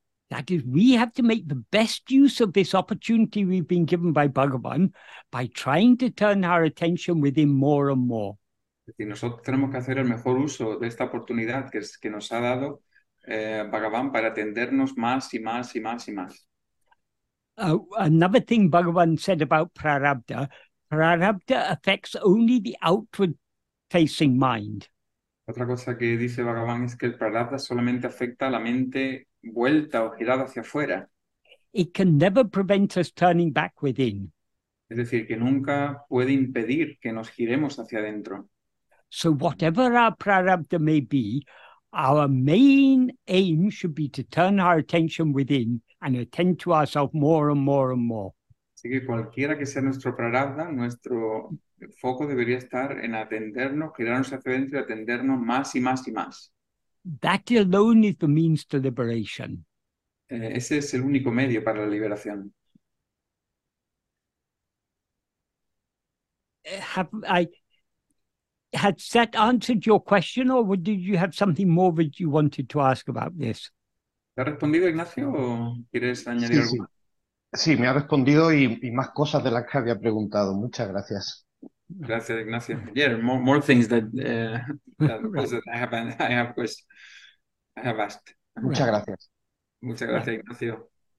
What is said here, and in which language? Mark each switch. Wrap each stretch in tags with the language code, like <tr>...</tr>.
<en>That is, we have to make the best use of this opportunity we've been given by Bhagavan by trying to turn our attention within more and more.</en> <es>Es decir, nosotros tenemos que hacer el mejor uso de esta oportunidad que nos ha dado Bhagavan para atendernos más y más y más y más.</es> <en>Another thing Bhagavan said about prarabdha, prarabdha affects only the outward facing mind.</en> <es>Otra cosa que dice Bhagavan es que el prarabdha solamente afecta a la mente vuelta o girada hacia afuera.</es> <en>It can never prevent us turning back within.</en> <es>Es decir, que nunca puede impedir que nos giremos hacia adentro.</es> <en>So whatever our prarabdha may be, our main aim should be to turn our attention within and attend to ourselves more and more and more.</en> <es>Así que cualquiera que sea nuestro prarabdha, nuestro el foco debería estar en atendernos, girarnos hacia adentro y atendernos más y más y más.</es> <en>That alone is the means to liberation.</en> <es>Ese es el único medio para la liberación.</es> <en>Has that answered your question, or did you have something more that you wanted to ask about this?</en> <es>¿Te ha respondido, Ignacio, o quieres añadir alguna? Sí, me ha respondido y más cosas de las que había preguntado. Muchas gracias. Gracias, Ignacio.</es> <en>Yeah, more things that I have asked.</en> <es>Muchas gracias. Muchas gracias, Ignacio.</es>